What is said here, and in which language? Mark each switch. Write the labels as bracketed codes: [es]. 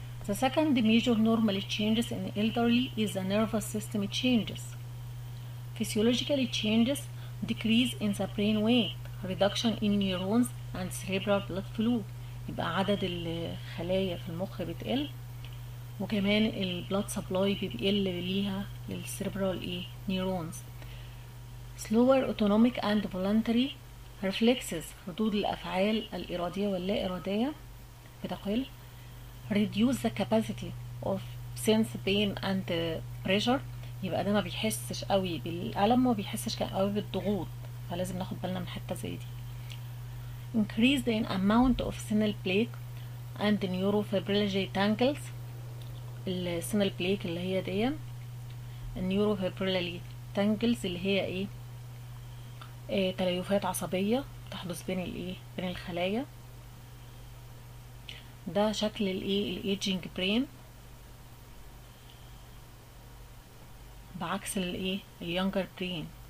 [en] The second major normal changes in elderly is the nervous system changes. Physiologically changes decrease in the brain weight, reduction in neurons and cerebral blood flow. [ar] يبقى عدد الخلايا في المخ بتقل وكمان ال blood supply بيقل ليها لل cerebral neurons. [en] Slower autonomic and voluntary reflexes، [ar] ردود الأفعال الإرادية واللا إرادية بتقل. [en] Reduce the capacity of sense pain and pressure. [ar] يبقى ده ما بيحسش قوي بالألم وما بيحسش قوي بالضغوط، فلازم ناخد بالنا من حتة زي دي. [en] Increase the amount of senile plaque and neurofibrillary tangles. [ar] السينال بليك اللي هي دي النيوروفيبرولالي تانجلز اللي هي تليفات عصبية تحدث بين بين الخلايا. ده شكل الايجينج برين بعكس اليونجر برين.